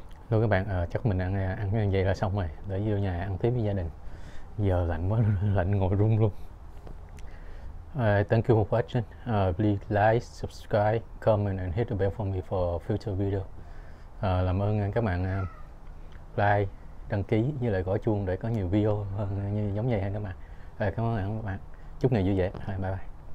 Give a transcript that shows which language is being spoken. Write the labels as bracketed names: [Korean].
[Vietnamese] Thôi các bạn, chắc mình ăn ăn cái vậy là xong rồi. Để vô nhà ăn tiếp với gia đình. Giờ lạnh quá, lạnh ngồi run luôn. [English] Thank you for watching. Please like, subscribe, comment and hit the bell for me for future video. [Vietnamese] Làm ơn các bạn like, đăng ký với lại gõ chuông để có nhiều video hơn như giống vậy hay các bạn. Cảm ơn các bạn. Chúc ngày vui vẻ. Bye bye.